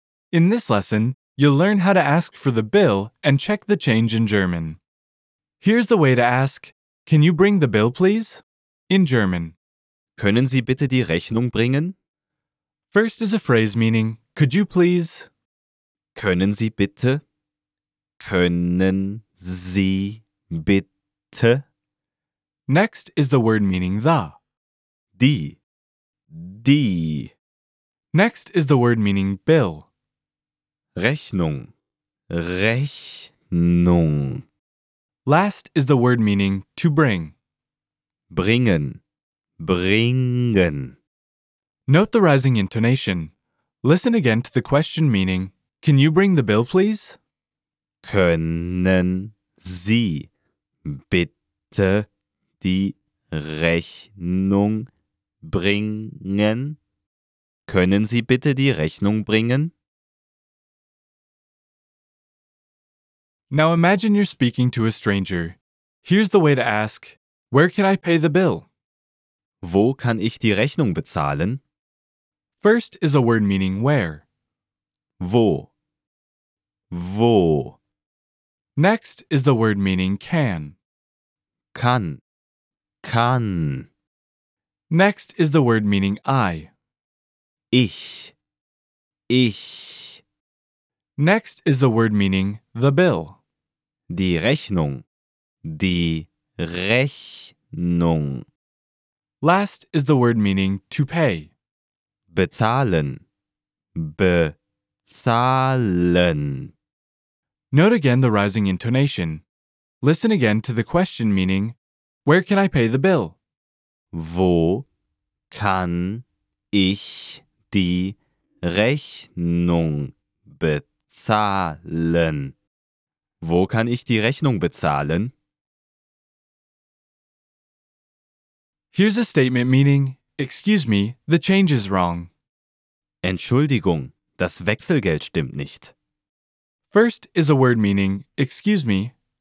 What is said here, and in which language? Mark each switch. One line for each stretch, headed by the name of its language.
English: In this lesson, you'll learn how to ask for the bill and check the change in German. Here's the way to ask, "Can you bring the bill, please?" in German.
German: Können Sie bitte die Rechnung bringen?
English: First is a phrase meaning, "Could you please?"
German: Können Sie bitte? Können Sie bitte?
English: Next is the word meaning the.
German: Die. Die.
English: Next is the word meaning bill.
German: Rechnung. Rechnung.
English: Last is the word meaning to bring.
German: Bringen. Bringen.
English: Note the rising intonation. Listen again to the question meaning, "Can you bring the bill, please?"
German: Können Sie bitte die Rechnung bringen? Können Sie bitte die Rechnung bringen?
English: Now imagine you're speaking to a stranger. Here's the way to ask, "Where can I pay the bill?"
German: Wo kann ich die Rechnung bezahlen?
English: First is a word meaning where.
German: Wo. Wo.
English: Next is the word meaning can.
German: Kann. Kann.
English: Next is the word meaning I.
German: Ich. Ich.
English: Next is the word meaning the bill.
German: Die Rechnung. Die Rechnung.
English: Last is the word meaning to pay.
German: Bezahlen. Bezahlen.
English: Note again the rising intonation. Listen again to the question meaning, "Where can I pay the bill?"
German: Wo kann ich die Rechnung bezahlen? Wo kann ich die Rechnung bezahlen?
English: Here's a statement meaning, "Excuse me, the change is wrong."
German: Entschuldigung, das Wechselgeld stimmt nicht.
English: First is a word meaning, "Excuse me."